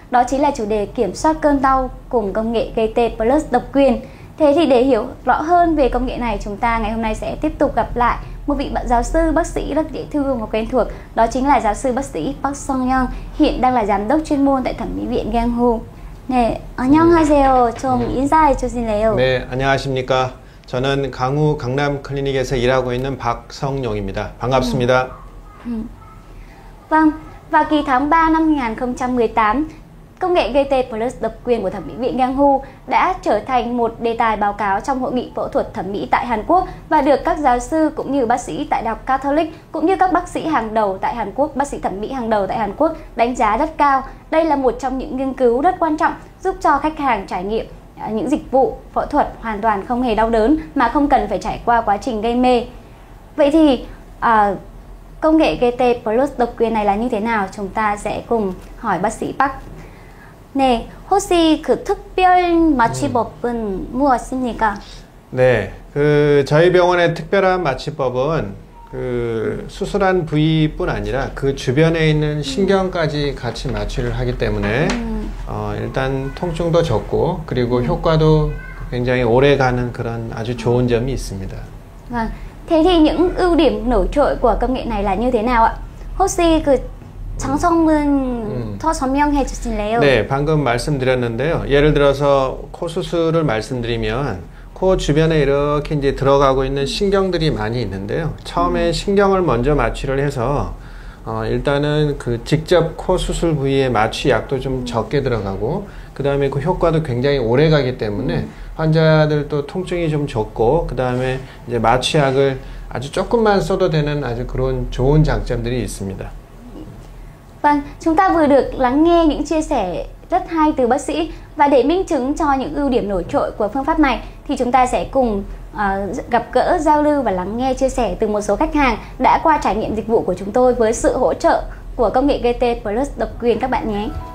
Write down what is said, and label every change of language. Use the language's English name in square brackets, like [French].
[Vietnamese] Đó chính là chủ đề kiểm soát cơn đau cùng công nghệ GT Plus độc quyền. Thế thì để hiểu rõ hơn về công nghệ này, chúng ta ngày hôm nay sẽ tiếp tục gặp lại một vị giáo sư bác sĩ rất dễ thương và quen thuộc. Đó chính là giáo sư bác sĩ Park Song-young, hiện đang là giám đốc chuyên môn tại Thẩm mỹ viện Gang Hu. [Korean] 네, 안녕하세요. 좀 인사해 주실래요? 네, 안녕하십니까. 저는 강우 강남 클리닉에서 일하고 있는 박성용입니다. 반갑습니다. [Vietnamese] Vâng, vào kỳ tháng 3 năm 2018, công nghệ GT Plus độc quyền của Thẩm mỹ viện Gang Hu đã trở thành một đề tài báo cáo trong hội nghị phẫu thuật thẩm mỹ tại Hàn Quốc và được các giáo sư cũng như bác sĩ tại Đại học Catholic cũng như các bác sĩ hàng đầu tại Hàn Quốc, bác sĩ thẩm mỹ hàng đầu tại Hàn Quốc đánh giá rất cao. Đây là một trong những nghiên cứu rất quan trọng giúp cho khách hàng trải nghiệm những dịch vụ phẫu thuật hoàn toàn không hề đau đớn mà không cần phải trải qua quá trình gây mê. Vậy thì công nghệ GT Plus độc quyền này là như thế nào? Chúng ta sẽ cùng hỏi bác sĩ Park. [Korean] 네, 혹시 그 특별 마취법은 무엇입니까? 네, 그 저희 병원의 특별한 마취법은 그 수술한 부위뿐 아니라 그 주변에 있는 신경까지 같이 마취를 하기 때문에 일단 통증도 적고 그리고 효과도 굉장히 오래 가는 그런 아주 좋은 점이 있습니다. [Vietnamese] 아, thế thì những ưu điểm nổi trội của công nghệ này là như thế nào ạ? [Korean] 혹시 그 장성은 더 설명해 주실래요? 네, 방금 말씀드렸는데요. 예를 들어서 코 수술을 말씀드리면 코 주변에 이렇게 이제 들어가고 있는 신경들이 많이 있는데요. 처음에 신경을 먼저 마취를 해서 일단은 그 직접 코 수술 부위에 마취약도 좀 적게 들어가고 그다음에 그 효과도 굉장히 오래 가기 때문에 환자들도 통증이 좀 적고 그다음에 이제 마취약을 아주 조금만 써도 되는 아주 그런 좋은 장점들이 있습니다. [Vietnamese] Vâng, chúng ta vừa được lắng nghe những chia sẻ rất hay từ bác sĩ. Và để minh chứng cho những ưu điểm nổi trội của phương pháp này thì chúng ta sẽ cùng gặp gỡ, giao lưu và lắng nghe chia sẻ từ một số khách hàng đã qua trải nghiệm dịch vụ của chúng tôi với sự hỗ trợ của công nghệ GT Plus độc quyền các bạn nhé.